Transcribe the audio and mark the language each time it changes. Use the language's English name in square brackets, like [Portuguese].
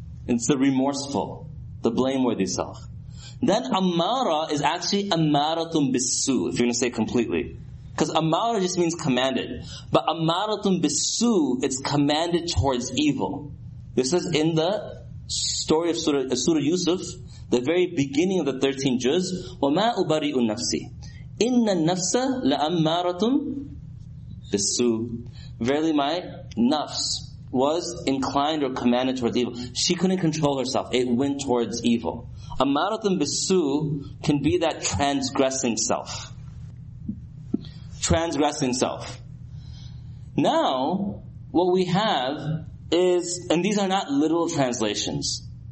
[English] It's the remorseful, the blameworthy self. Then amara is actually amaratum bisu, if you're going to say completely. Because amara just means commanded. But amaratum bisu, it's commanded towards evil. This is in the story of Surah Yusuf. The very beginning of the 13 juz, [Arabic] وَمَا أُبَرِئُ النَّفْسِ إِنَّ النَّفْسَ لَأَمَّارَةٌ بِالسُّوءِ. [English] Verily my nafs was inclined or commanded towards evil. She couldn't control herself. It went towards evil. [Arabic] أَمَّارَةٌ بِالسُّوءِ [English] can be that transgressing self. Transgressing self. Now, what we have is, and these are not literal translations.